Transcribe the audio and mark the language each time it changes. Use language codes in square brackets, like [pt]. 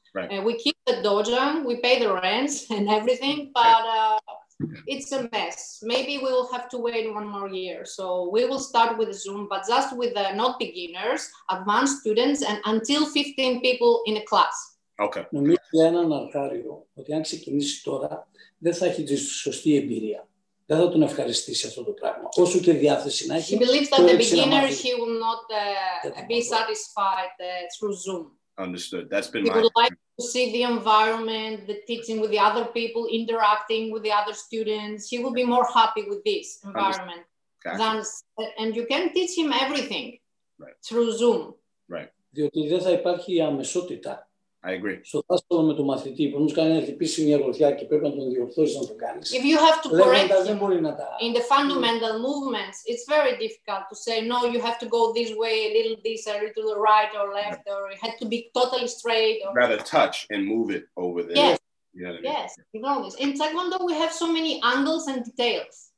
[en] Right. We keep the dojang, we pay the rents and everything, but... It's a mess. Maybe we will have to wait one more year. So we will start with Zoom, but just with not beginners, advanced students, and until 15 people in a class. Okay. [el] Νομίζω για έναν αρχάριο ότι αν ξεκινήσει τώρα, δεν θα έχει τη σωστή εμπειρία. Δεν θα τον ευχαριστήσει αυτό το πράγμα. Όσο και διάθεση να έχει. [en] He believes that the beginner he will not be satisfied through Zoom. Understood. That's been people like to see the environment, the teaching with the other people, interacting with the other students. He will be more happy with this environment. Than, and you can teach him everything through Zoom. Right. [el] Διότι δεν θα υπάρχει αμεσότητα. [en] I agree. [el] Στο δάσκαλο με τον μαθητή, που μπορεί να έχει πείσει μια γροθιά και πρέπει να τον διορθώσει να το κάνει. [en] If you have to correct him in the fundamental movements, it's very difficult to say, no, you have to go this way, a little this, a little to the right or left, or it had to be totally straight. Or... Rather touch and move it over there. Yes. Yes. You know this. In Taekwondo, we have so many angles and details.